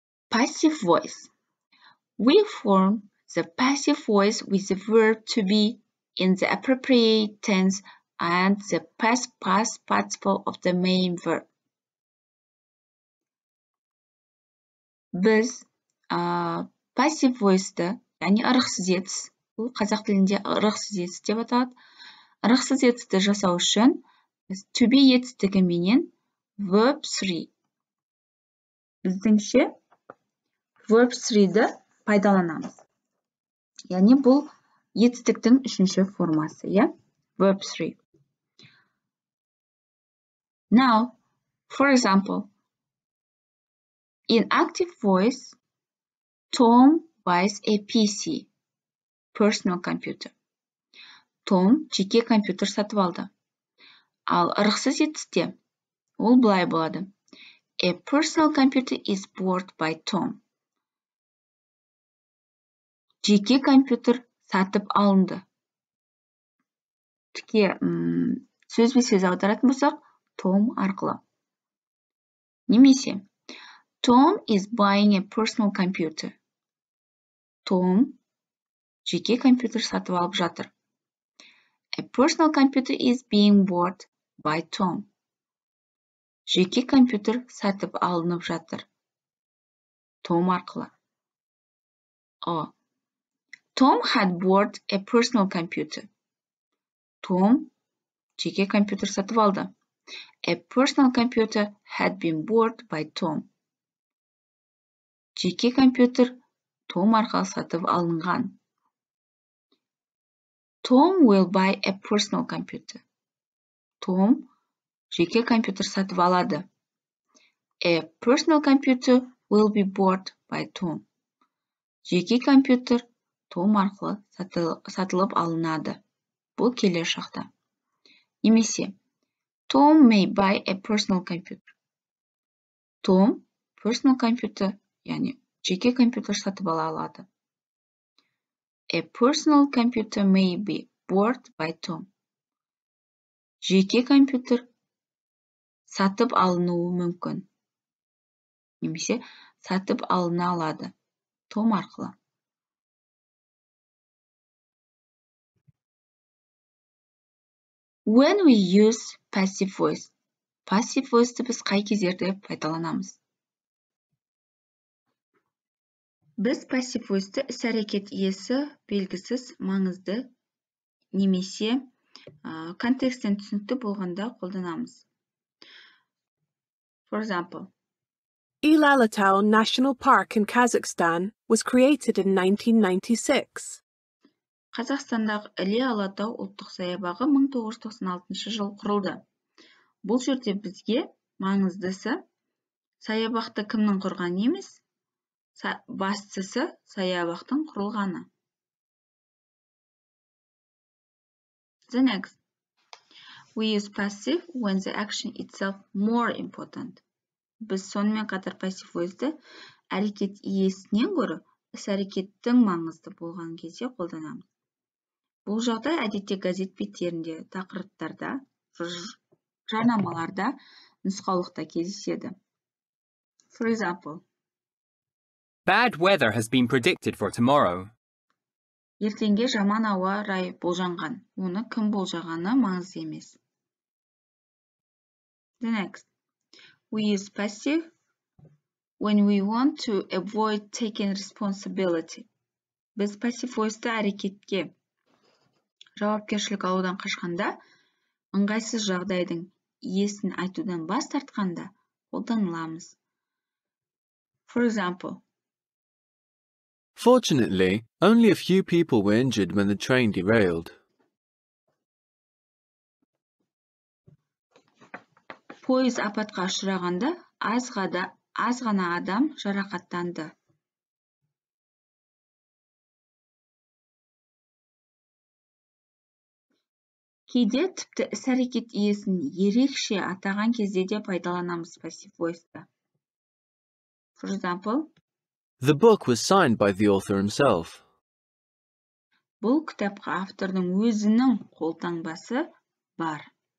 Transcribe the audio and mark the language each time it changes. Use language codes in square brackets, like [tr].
[en] Passive voice. We form the passive voice with the verb to be in the appropriate tense and the past participle of the main verb. This [kk] Passive voice-ді, яғни ырықсыз етіс, бұл қазақ тілінде ырықсыз етіс деп аталады. Ырықсыз етісті жасау үшін біз to be етістігі менен verb 3. Біздіңше verb 3-ді пайдаланамыз. Яғни бұл етістіктің үшінші формасы, иә? [en] Verb 3. Now, for example, in active voice, Tom buys a PC, personal computer. [kk] Tom жеке компьютер сатып алды. Ал ырықсыз етісте ол былай болады. [en] A personal computer is bought by Tom. [kk] Жеке компьютер сатып алынды. Тіке сөзбе-сөз аударатын болсақ, Tom арқылы. [en] Немесе, Tom is buying a personal computer. [kk] Tom жеке компьютер сатып алып жатыр. [en] A personal computer is being bought by Tom. [kk] Жеке компьютер сатып алынып жатыр. Tom арқылы. О. [en] Tom had bought a personal computer. [kk] Tom жеке компьютер сатып алды. [en] A personal computer had been bought by Tom. [kk] Жеке компьютер Tom арқылы сатып алынған. [en] Tom will buy a personal computer. [kk] Tom жеке компьютер сатып алады. [en] A personal computer will be bought by Tom. [kk] Жеке компьютер Tom арқылы сатылып алынады. Бұл келер шақта. [en] Немесе, Tom may buy a personal computer. [kk] Tom [en] personal computer, [kk] яғни жеке компьютер сатып ала алады. [en] A personal computer may be bought by Tom. [kk] Жеке компьютер сатып алынуы мүмкін. Немесе, сатып алына алады. Tom арқылы. [en] When we use passive voice. [kk] Passive voice-ді біз қай кездерде пайдаланамыз? Біз passive voice-ді іс-әрекет иесі белгісіз маңызды немесе контекстен түсінікті болғанда қолданамыз. [en] For example, Ulaanbaatar National Park in Kazakhstan was created in 1996. [kk] Қазақстандағы Іле Алатау ұлттық саябағы 1996 жылы құрылды. Бұл жерде бізге маңыздысы саябақты кімнің құрғаны емес, бастысы саябақтың құрылғаны. [en] The next. We use passive when the action itself more important. [kk] Біз сонымен қатар passive voice-ді әрекет иесінен гөрі іс-әрекеттің маңызды болған кезде қолданамыз. Бұл жағдай әдетте газет беттерінде, тақырыптарда, жарнамаларда, нұсқаулықта кездеседі. [en] For example, Bad weather has been predicted for tomorrow. [kk] Ертеңге жаман ауа райы болжанған. Оны кім болжағаны маңызды емес. [en] The next. We use passive when we want to avoid taking responsibility. [kk] Біз passive voice-ді әрекетке жауапкершілік алудан қашқанда, ыңғайсыз жағдайдың иесін айтудан бас тартқанда қолданыламыз. [en] For example, Fortunately, only a few people were injured when the train derailed. [kk] Пойыз апатқа ұшырағанда, аз ғана адам жарақаттанды. Кейде тіпті іс-әрекет иесін ерекше атаған кезде де пайдаланамыз passive voice-ды. [en] For example, The book was signed by the author himself. [kk] Бұл кітапқа автордың өзінің қолтаңбасы бар.